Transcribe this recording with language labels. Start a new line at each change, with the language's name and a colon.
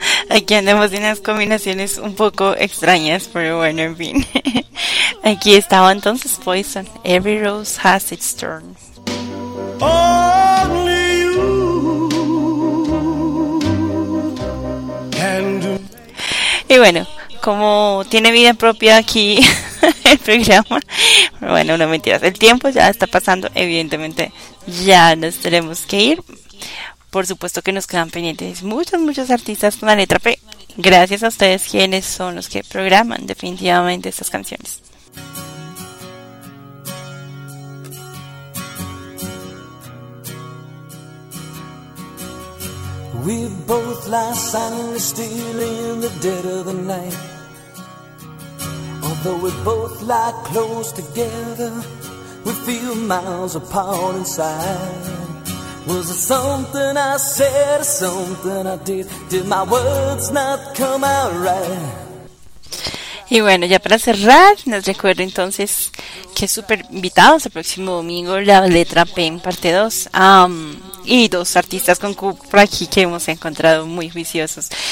Spanish: Aquí andamos en unas combinaciones un poco extrañas, pero bueno, en fin. Aquí estaba entonces Poison.
English: Every rose has its thorn. Only you can do.
Spanish: Y bueno, como tiene vida propia aquí el programa, bueno, no mentiras, el tiempo ya está pasando, evidentemente ya nos tenemos que ir. Por supuesto que nos quedan pendientes muchos, muchos artistas con la letra P. Gracias a ustedes, quienes son los que programan definitivamente estas canciones.
English: We both lie silently still in the dead of the night. Although we both lie close together, we feel miles apart inside. Was it something I said, something I did? Did my words not come out right?
Spanish: Y bueno, ya para cerrar, les recuerdo entonces que súper invitados el próximo domingo, la letra P en parte 2. Y dos artistas con cupra aquí que hemos encontrado muy juiciosos.